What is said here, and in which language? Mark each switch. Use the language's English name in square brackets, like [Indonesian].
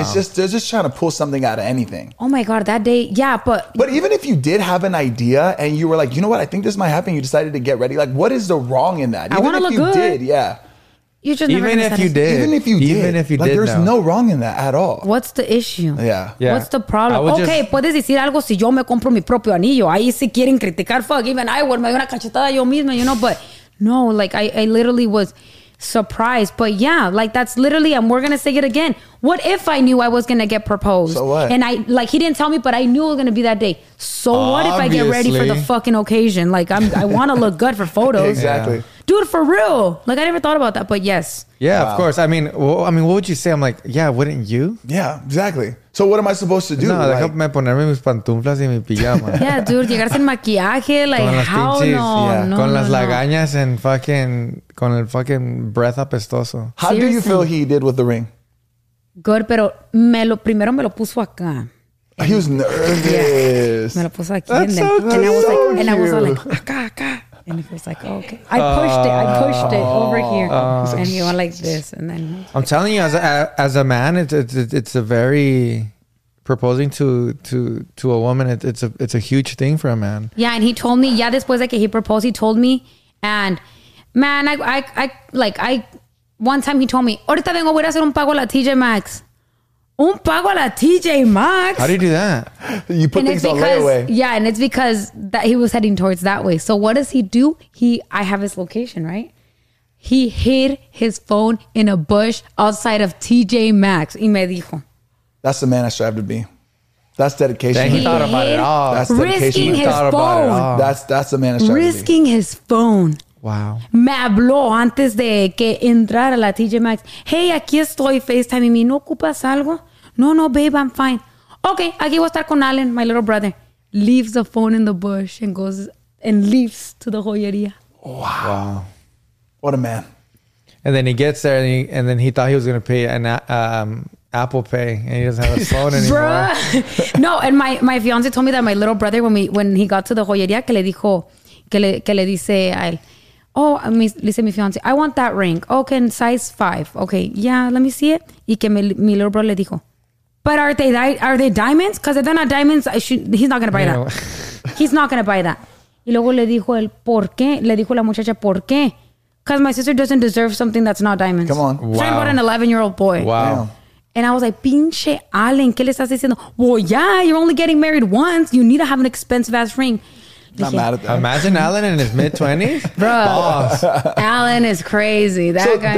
[English] It's just, they're just trying to pull something out of anything. Oh my God, that day. Yeah, but. But even if you did have an idea and you were like, you know what? I think this might happen. You decided to get ready. Like, what is the wrong in that? I want to look good. Did, yeah. You just even never if you did. Even if you did. Even if you like, did. There's no wrong in that at all. What's the issue? Yeah. Yeah. What's the problem? Okay, just, [Spanish] puedes decir algo si yo me compro mi propio anillo. Ahí si quieren criticar, [English] fuck. Even I would, [Spanish] me una cachetada yo misma, [English] you know? But no, like, I literally was surprised. But yeah, like, that's literally, and we're going to say it again. What if I knew I was going to get proposed? So what? And I, like, he didn't tell me, but I knew it was going to be that day. So obviously, what if I get ready for the fucking occasion? Like, I want to look good for photos. Exactly. Yeah. Dude, for real. Like, I never thought about that, but yes. Yeah, wow. Of course. I mean, what would you say? I'm like, yeah, wouldn't you? Yeah, exactly. So what am I supposed to do? [Spanish] No, like, déjame ponerme mis pantuflas y mi pijama. [English] Yeah, dude, [Spanish] llegar sin maquillaje, [English] like, how [Spanish] pinches, [English] no, yeah. No. [Spanish] Con no, las no. Lagañas [English] and fucking, [Spanish] con el [English] fucking breath [Spanish] apestoso. [English] How seriously? Do you feel he did with the ring? Good, [Spanish] pero primero me lo puso acá. [English] He was nervous. Yeah. [Spanish] Me lo puso aquí. [English] And I was like, [Spanish] acá. [English] And he was like, oh, okay. I pushed it over here. And he went like this. And then I'm telling you, as a man, it's a very proposing to a woman. It's a huge thing for a man. Yeah. And he told me, yeah, [Spanish] después de que [English] he proposed, he told me. And man, I one time he told me, [Spanish] ahorita vengo, voy a hacer un pago a la TJ Maxx. Un pago a la TJ Maxx. [English] How do you do that? You put things on layaway. Yeah, and it's because that he was heading towards that way. So what does he do? I have his location, right? He hid his phone in a bush outside of TJ Maxx. [Spanish] Y me dijo. [English] That's the man I strive to be. That's dedication. Dang, he thought about it all. That's dedication. He thought about it all. That's the man I strive to be. Risking his phone. Wow. [Spanish] Me habló antes de que entrara la TJ Maxx. [English] Hey, [Spanish] aquí estoy [English] FaceTiming me. [Spanish] ¿No ocupas algo? No, [English] babe, I'm fine. Okay, [Spanish] aquí voy a estar con Alan, [English] my little brother. Leaves the phone in the bush and goes and leaves to the joyería. Wow. What a man. And then he gets there and then he thought he was going to pay an Apple Pay and he doesn't have a phone anymore. No, and my fiance told me that my little brother, when he got to the joyería, [Spanish] que le dijo, que le dice a él, [English] oh, listen, mi fiance, I want that ring. Okay, in size 5. Okay, yeah, let me see it. [Spanish] Y que mi [English] little bro [Spanish] le dijo, [English] but are they diamonds? Because if they're not diamonds, he's not going to buy that. He's not going to buy that. [Spanish] Y luego le dijo el por qué. Le dijo la muchacha, ¿por qué? [English] Because my sister doesn't deserve something that's not diamonds. Come on. Wow. Talking about an 11-year-old boy. Wow. And I was like, [Spanish] pinche Allen, ¿qué le estás diciendo? [English] Well, yeah, you're only getting married once. You need to have an expensive-ass ring. Not mad at that. Imagine Alan in his mid-20s. Bro. Boss. Alan is crazy. That so guy.